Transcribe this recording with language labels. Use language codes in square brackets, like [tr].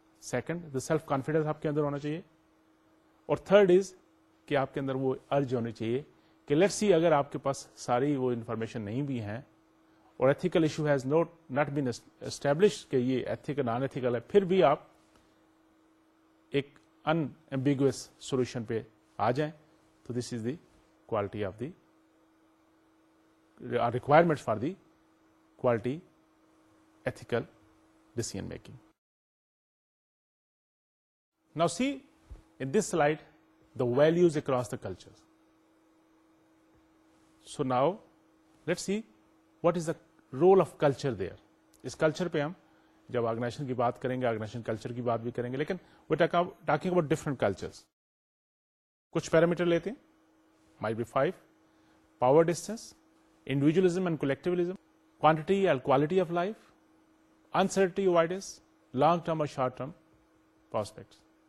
[ur] Second the self confidence آپ کے اندر ہونا چاہیے اور تھرڈ از کہ آپ کے اندر وہ ارج ہونی چاہیے کہ [en] let's see [ur] اگر آپ کے پاس ساری وہ انفارمیشن نہیں بھی ہیں اور [en] ethical issue has not been establish [ur] کہ یہ ایتھیکل نان ایتھیکل ہے, پھر بھی آپ ایک ان ایمبیگوس سولوشن پہ آ جائیں تو [en] This is the quality of the requirement for the quality ethical decision making. Now see in this slide the values across the culture. So now let see what is the role of culture there. [ur] اس culture پہ ہم جب organization کی بات کریں گے organization culture کی بات بھی کریں گے لیکن [en] We talking about different culture. [ur] کچھ پیرامیٹر لیتے ہیں, [en] might be five, [ur] power distance, individualism and کولیکٹیولیزم, quantity and quality of life, انسرٹی avoidance, long term اور شارٹ ٹرم پراسپیکٹس.